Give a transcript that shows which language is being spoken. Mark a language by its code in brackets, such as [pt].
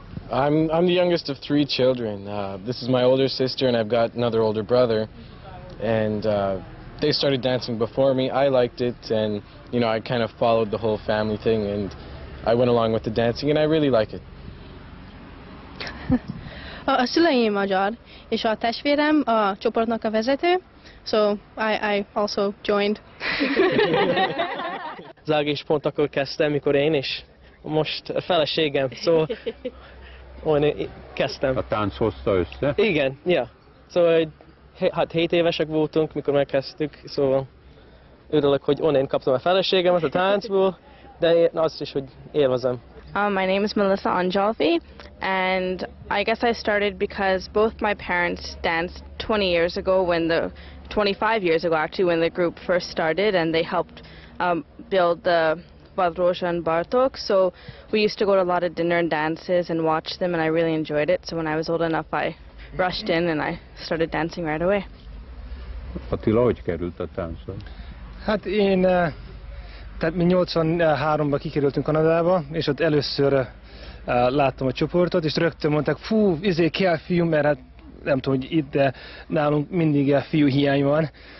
[en] I'm the youngest of three children. This is my older sister, and I've got another older brother. And they started dancing before me. I liked it, and, you know, I kind of followed the whole family thing, and I went along with the dancing, and I really like it. [hu] A szüleim magyar, és a testvérem a csoportnak a vezető, [en] so I also joined. [hu] Zágis pont akkor kezdtem, mikor én is. Most a feleségem, so én kezdtem. A tánc hozta össze? Igen, ja. Yeah. So, hát 7 évesek voltunk, mikor megkezdtük, szóval örülök, hogy onnan kaptam a feleségemet a táncból, de azt is, hogy élvezem. [en] My name is Melissa Anjolfi, and I guess I started because both my parents danced 20 years ago, 25 years ago actually, when the group first started, and they helped build the Vadrosha and Bartok. So we used to go to a lot of dinner and dances and watch them, and I really enjoyed it. So when I was old enough, I rushed in and I started dancing right away. [hu] Attila, hogy került a táncba? Hát én, tehát mi 83-ban kikerültünk Kanadába, és ott először láttam a csoportot, és rögtön mondták, fú, izé kell fiú, mert hát nem tudom, hogy itt, de nálunk mindig a fiú hiány van.